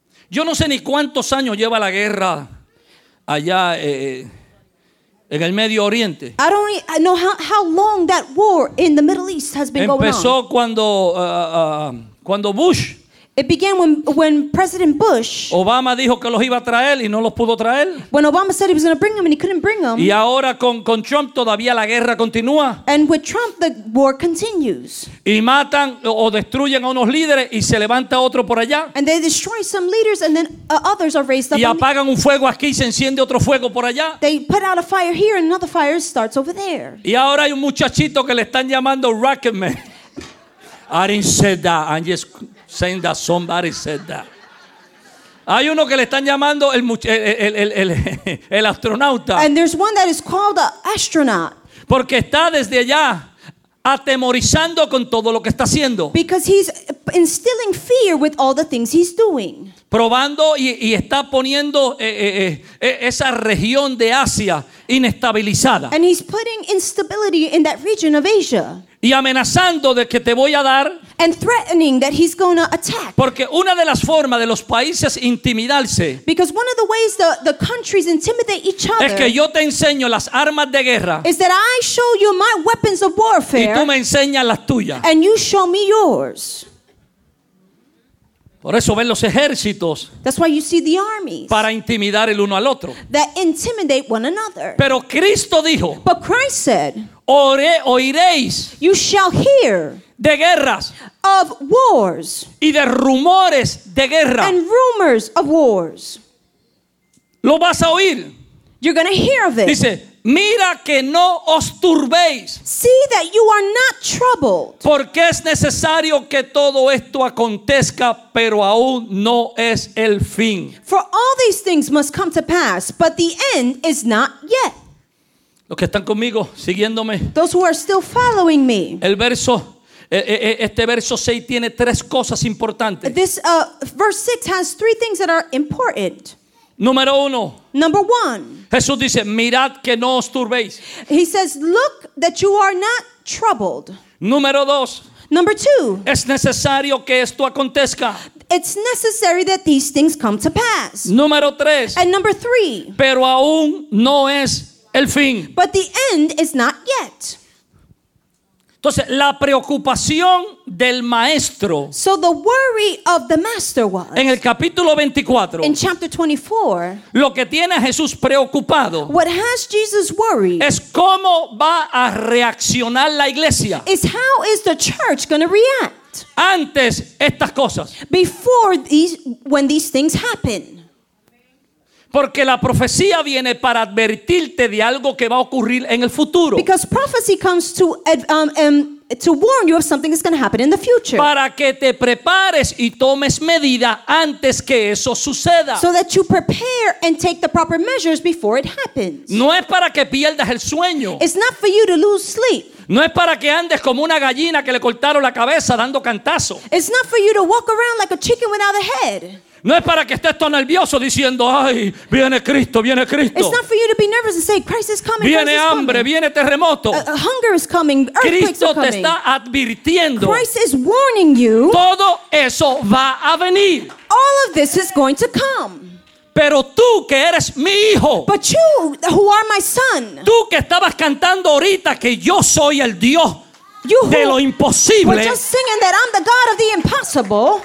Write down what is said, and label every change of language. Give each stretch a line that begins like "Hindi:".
Spanish: Yo no sé ni cuántos años lleva la guerra allá en el Medio Oriente.
English: I don't know how long that war in the Middle East has been
Spanish: empezó
English: going on.
Spanish: Empezó cuando Bush.
English: It began when President Bush.
Spanish: Obama dijo que los iba a traer y no los pudo traer.
English: When Obama said he was going to bring them and he couldn't bring them.
Spanish: Y ahora con Trump todavía la guerra continúa.
English: And with Trump the war continues.
Spanish: Y matan o destruyen a unos líderes y se levanta otro por allá.
English: And they destroy some leaders and then others are raised up.
Spanish: Y apagan un fuego aquí y se enciende otro fuego por allá.
English: They put out a fire here and another fire starts over there.
Spanish: Y ahora hay un muchachito que le están llamando Rocketman.
English: I didn't say that. I'm just saying that somebody said that.
Spanish: Hay uno que le están llamando el astronauta.
English: And there's one that is called an astronaut.
Spanish: Porque está desde allá atemorizando con todo lo que está haciendo.
English: Because he's instilling fear with all the things he's doing.
Spanish: Probando y está poniendo esa región de Asia inestabilizada.
English: And he's putting instability in that region of Asia.
Spanish: Y amenazando de que te voy a dar.
English: And threatening that he's going to attack.
Spanish: Porque una de las formas de los países intimidarse.
English: Because one of the ways the countries intimidate each other.
Spanish: Es que yo te enseño las armas de guerra.
English: Is that I show you my weapons of warfare.
Spanish: Y tú me enseñas las tuyas.
English: And you show me yours.
Spanish: Por eso ven los ejércitos.
English: That's why you see the armies.
Spanish: Para intimidar el uno al otro.
English: That intimidate one another.
Spanish: Pero Cristo dijo.
English: But Christ said.
Spanish: Oiréis.
English: You shall hear.
Spanish: De guerras.
English: Of wars.
Spanish: Y de rumores de guerra.
English: And rumors of wars.
Spanish: Lo vas a oír.
English: You're going to hear of it.
Spanish: Dice, mira que no os turbéis.
English: See that you are not troubled.
Spanish: Porque es necesario que todo esto acontezca, pero aún no es el fin.
English: For all these things must come to pass, but the end is not yet.
Spanish: Los que están conmigo, siguiéndome.
English: Those who are still following me.
Spanish: El verso, este verso 6 tiene tres cosas importantes.
English: This verse 6 has three things that are important.
Spanish: Número uno.
English: Number one.
Spanish: Jesús dice, mirad que no os turbéis.
English: He says, look that you are not troubled.
Spanish: Número dos.
English: Number two.
Spanish: Es necesario que esto acontezca.
English: It's necessary that these things come to pass.
Spanish: Número tres.
English: And number three.
Spanish: Pero aún no es el fin.
English: But the end is not yet.
Spanish: Entonces, la preocupación del maestro.
English: So the worry of the master was.
Spanish: En el capítulo 24.
English: In chapter 24.
Spanish: Lo que tiene a Jesús preocupado.
English: What has Jesus worried.
Spanish: Es cómo va a reaccionar la iglesia.
English: Is how is the church going to react.
Spanish: Antes estas cosas.
English: Before these, when these things happen.
Spanish: Porque la profecía viene para advertirte de algo que va a ocurrir en el futuro.
English: Because prophecy comes to warn you of something that's going to happen in the future.
Spanish: Para que te prepares y tomes medida antes que eso suceda.
English: So that you prepare and take the proper measures before it happens.
Spanish: No es para que pierdas el sueño.
English: It's not for you to lose sleep.
Spanish: No es para que andes como una gallina que le cortaron la cabeza dando cantazo.
English: It's not for you to walk around like a chicken without a head.
Spanish: No es para que estés tan nervioso diciendo, ay, viene Cristo, viene Cristo.
English: It's not for you to be nervous and say, Christ is coming.
Spanish: Viene hambre, viene terremoto.
English: Hunger is coming, earthquakes are coming.
Spanish: Cristo te está advirtiendo.
English: Christ is warning you.
Spanish: Todo eso va a venir.
English: All of this is going to come.
Spanish: Pero tú que eres mi hijo.
English: But you who are my son.
Spanish: Tú que estabas cantando ahorita que yo soy el Dios.
English: You who
Spanish: de lo imposible,
English: were just singing that I'm the God of the impossible.